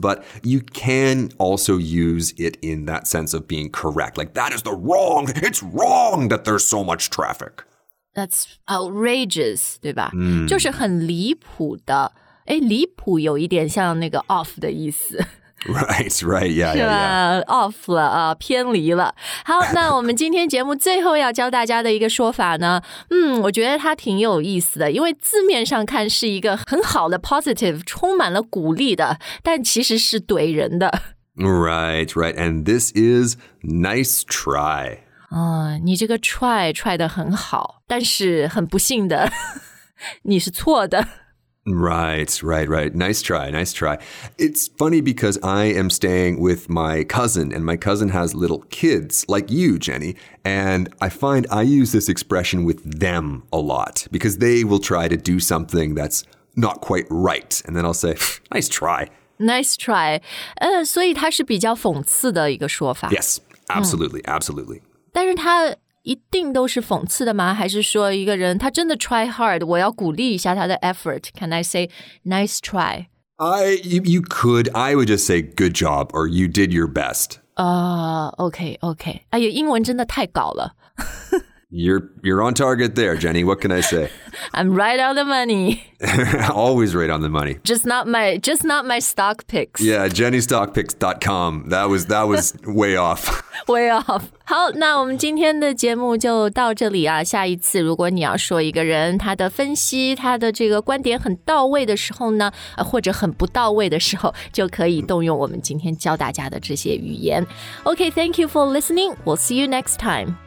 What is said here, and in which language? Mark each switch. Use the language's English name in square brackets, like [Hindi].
[English] But you can also use it in that sense of being correct. Like that is the wrong. It's wrong that there's so much traffic. That's outrageous, [Chinese] 对吧？就是很离谱的。哎，离谱有一点像那个 off 的意思。 [English] Right, right, yeah. [Chinese] Off 了啊，偏离了。好，那我们今天节目最后要教大家的一个说法呢，我觉得它挺有意思的，因为字面上看是一个很好的 positive, 充满了鼓励的，但其实是怼人的。 [English] Right, right, and this is nice try. [Chinese] 你这个 try 得很好，但是很不幸的，你是错的。 [English] Right, right, right. Nice try, nice try. It's funny because I am staying with my cousin, and my cousin has little kids like you, Jenny, and I find I use this expression with them a lot because they will try to do something that's not quite right, and then I'll say, nice try. Nice try. [Chinese] 所以它是比较讽刺的一个说法。 [English] Yes, absolutely, absolutely. [Chinese] 但是他一定都是讽刺的吗？还是说一个人他真的 try hard, 我要鼓励一下他的 effort? [English] Can I say nice try? You could. I would just say good job or you did your best. [Chinese] Okay. 哎呀，英文真的太搞了。 [English] You're on target there, Jenny. What can I say? I'm right on the money. Always right on the money. Just not my stock picks. Yeah, jennystockpicks.com. That was way off. Way off. [Chinese] 好，那我们今天的节目就到这里啊。下一次如果你要说一个人他的分析他的这个观点很到位的时候呢，或者很不到位的时候，就可以动用我们今天教大家的这些语言。 [English] OK, thank you for listening. We'll see you next time.